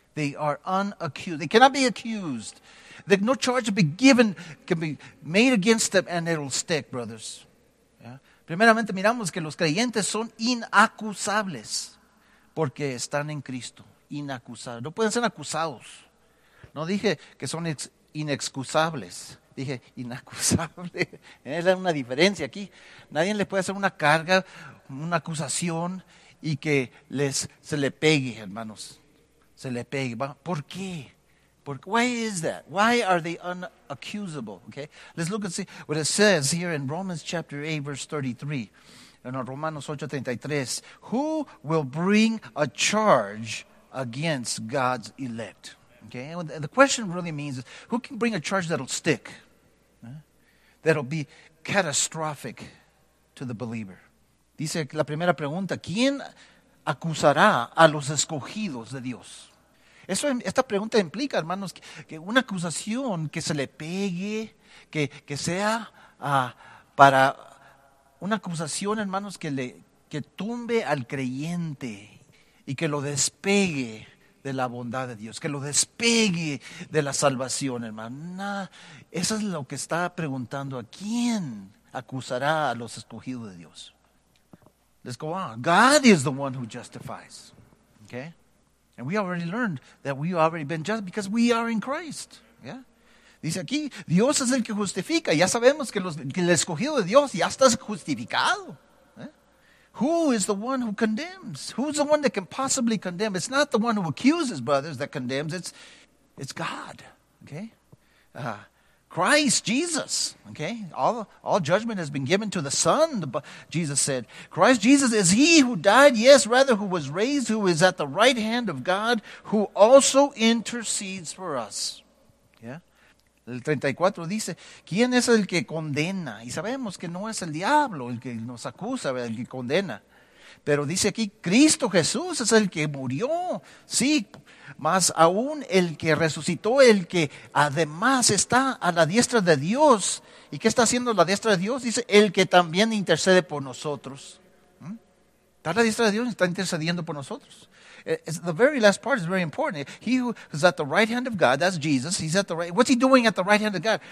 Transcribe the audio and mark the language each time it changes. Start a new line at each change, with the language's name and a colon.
English: They are unaccused. They cannot be accused. That no charge be given, can be made against them, and it will stick, brothers. Yeah.
Spanish: Primeramente, miramos que los creyentes son inacusables porque están en Cristo. Inacusables. No pueden ser acusados. No dije que son inexcusables. Dije inacusables. Es una diferencia aquí. Nadie le puede hacer una carga, una acusación, y que se le pegue, hermanos. Se le pegue. ¿Por qué?
English: Why is that? Why are they unaccusable? Okay, let's look and see what it says here in Romans chapter 8, verse 33. In Romanos 8, 33. Who will bring a charge against God's elect? Okay, and the question really means, who can bring a charge that'll stick? That'll be catastrophic to the believer.
Spanish: Dice la primera pregunta, ¿quién acusará a los escogidos de Dios? Esta pregunta implica, hermanos, que una acusación que se le pegue, que sea para una acusación, hermanos, que tumbe al creyente y que lo despegue de la bondad de Dios, que lo despegue de la salvación, hermano. Nah, eso es lo que está preguntando. ¿A quién acusará a los escogidos de Dios?
English: Let's go on. God is the one who justifies. Okay? And we already learned that we already been just because we are in Christ.
Spanish: Yeah? Dice aquí, Dios es el que justifica. Ya sabemos que, que el escogido de Dios ya está justificado.
English: Who is the one who condemns? Who's the one that can possibly condemn? It's not the one who accuses, brothers, that condemns. It's God, okay? Christ, Jesus, okay? All judgment has been given to the Son, Jesus said. Christ Jesus is he who died, yes, rather who was raised, who is at the right hand of God, who also intercedes for us.
Spanish: Yeah? El 34 dice, ¿quién es el que condena? Y sabemos que no es el diablo el que nos acusa, el que condena. Pero dice aquí, Cristo Jesús es el que murió. Sí, más aún el que resucitó, el que además está a la diestra de Dios. ¿Y qué está haciendo la diestra de Dios? Dice, el que también intercede por nosotros. Está a la diestra de Dios y está intercediendo por nosotros.
English: It's the very last part is very important. He who is at the right hand of God, that's Jesus. He's at the right. What's he doing at the right hand of God?